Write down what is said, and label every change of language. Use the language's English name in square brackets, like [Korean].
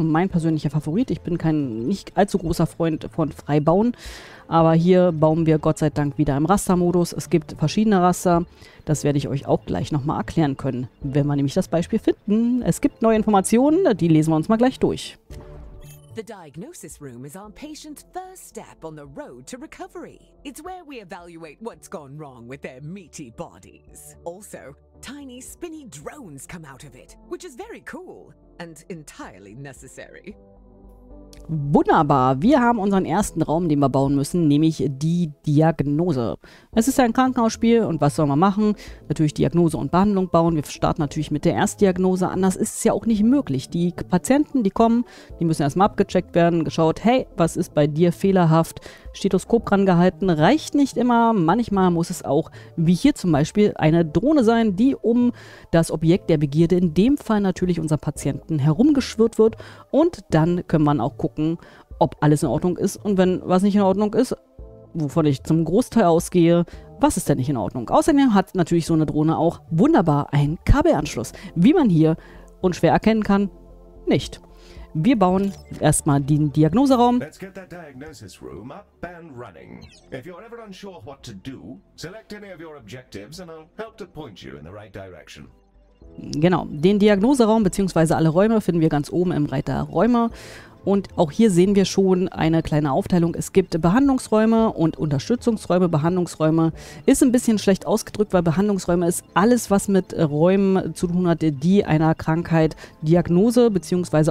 [German] Mein persönlicher Favorit. Ich bin kein nicht allzu großer Freund von Freibauen. Aber hier bauen wir Gott sei Dank wieder im Rastermodus. Es gibt verschiedene Raster. Das werde ich euch auch gleich nochmal erklären können, wenn wir nämlich das Beispiel finden. Es gibt neue Informationen, die lesen wir uns mal gleich durch. [English] The diagnosis room is our patient's first step on the road to recovery. It's where we evaluate what's gone wrong with their meaty bodies. Also, tiny spinny drones come out of it, which is very cool and entirely necessary. [German] Wunderbar, wir haben unseren ersten Raum, den wir bauen müssen, nämlich die Diagnose. Es ist ein Krankenhausspiel und was soll man machen? Natürlich Diagnose und Behandlung bauen. Wir starten natürlich mit der Erstdiagnose, anders ist es ja auch nicht möglich. Die Patienten, die kommen, die müssen erstmal abgecheckt werden, geschaut, hey, was ist bei dir fehlerhaft? Stethoskop drangehalten, reicht nicht immer. Manchmal muss es auch, wie hier zum Beispiel, eine Drohne sein, die um das Objekt der Begierde, in dem Fall natürlich unser Patienten, herumgeschwirrt wird. Und dann können wir auch gucken, ob alles in Ordnung ist. Und wenn was nicht in Ordnung ist, wovon ich zum Großteil ausgehe, was ist denn nicht in Ordnung? Außerdem hat natürlich so eine Drohne auch wunderbar einen Kabelanschluss. Wie man hier unschwer erkennen kann, nicht. Wir bauen erstmal den Diagnoseraum. [English] Let's get that diagnosis room up and running. If you're ever unsure what to do, select any of your objectives and I'll help to point you in the right direction. [German] Genau, den Diagnoseraum bzw. alle Räume finden wir ganz oben im Reiter Räume. Und auch hier sehen wir schon eine kleine Aufteilung. Es gibt Behandlungsräume und Unterstützungsräume. Behandlungsräume ist ein bisschen schlecht ausgedrückt, weil Behandlungsräume ist alles, was mit Räumen zu tun hat, die einer Krankheit Diagnose bzw.